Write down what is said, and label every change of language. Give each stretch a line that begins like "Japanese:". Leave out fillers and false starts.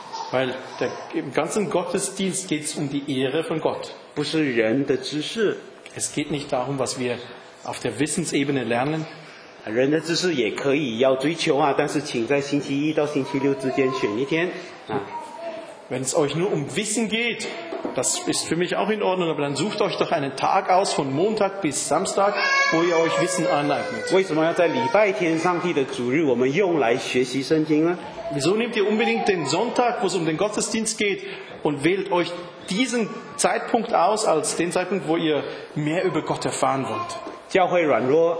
German: Weil im ganzen Gottesdienst geht es um die Ehre von Gott. Es geht nicht darum, was wir auf der Wissensebene lernen.
Chinese: 人的知识也可以要追求啊，但是请在星期一到星期六之间选一天。
German: Wenn es euch nur um Wissen geht, das ist für mich auch in Ordnung, aber dann sucht euch doch einen Tag aus, von Montag bis Samstag, wo ihr euch Wissen aneignet. Wieso nehmt ihr unbedingt den Sonntag, wo es um den Gottesdienst geht, und wählt euch diesen Zeitpunkt aus, als den Zeitpunkt, wo ihr mehr über Gott erfahren wollt?